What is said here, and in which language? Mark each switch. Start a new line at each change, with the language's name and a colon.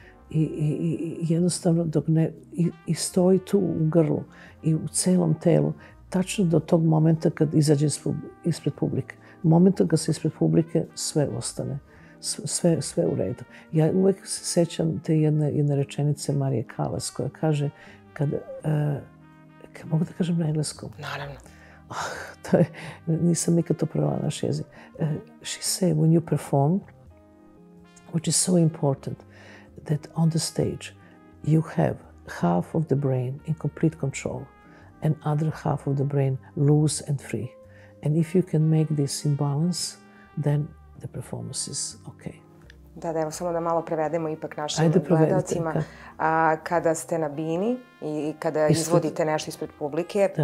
Serbian: I jednostavno, dok ne... I stoji tu u grlu i u celom telu, tačno do tog momenta kad izađem ispred publike. Momenta kad se ispred publike sve ostane. Sve u redu. Ja uvek se sećam te jedne rečenice Marije Kalas koja kaže, kad mogu da kažem na engleskom? Naravno. To je, nisam nikad to prevela naš jezik.
English: She said, when you perform, which is so important, that on the stage you have half of the brain in complete control and other half of the brain loose and free. And if you can make this in balance, then the performance is okay.
Serbian: Da, evo, samo da malo prevedemo ipak našim gledalcima. Kada ste na bini i kada izvodite nešto ispred publike, da.